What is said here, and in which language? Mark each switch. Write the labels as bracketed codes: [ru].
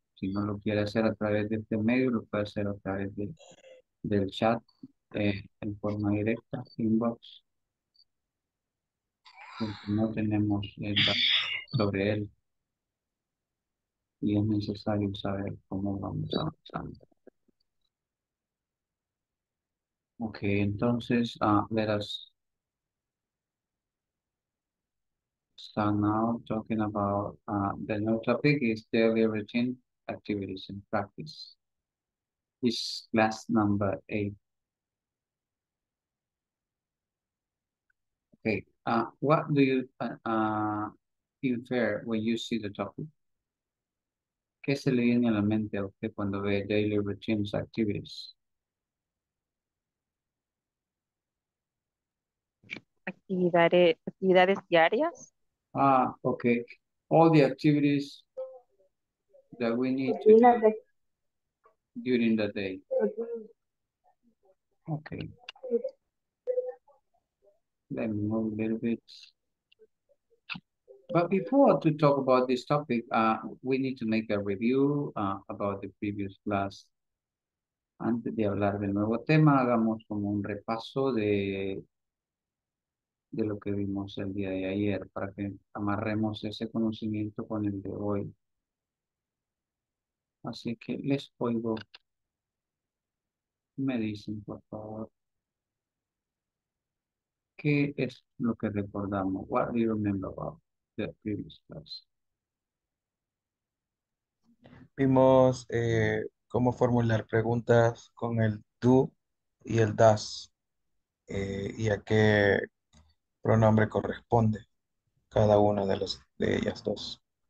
[es] Si no lo quiere hacer a través de este medio, lo puede hacer a través del chat. En forma directa, inbox, porque no tenemos sobre él y es necesario saber cómo vamos avanzando. [en] Ok, [es] entonces, [en] let us start now talking about the new topic is daily routine activities and practice. It's class number 8. Okay, what do you infer when you see the topic? [es] ¿Qué se le viene a la mente a usted cuando ve [en] daily routines activities? [es] Actividades diarias. [en] Ah, okay. All the activities that we need to do during the day. Okay. Let me move a little bit. But before to talk about this topic, we need to make a review about the previous class. [es] Antes de hablar del nuevo tema, hagamos como un repaso de lo que vimos el día de ayer para que amarremos ese conocimiento con el de hoy. Así que les oigo. Me dicen, por favor. ¿Qué es lo que recordamos? [en] What do you remember about the previous class? [es] Vimos cómo formular preguntas con el do y el does y a qué pronombre corresponde cada una de ellas dos.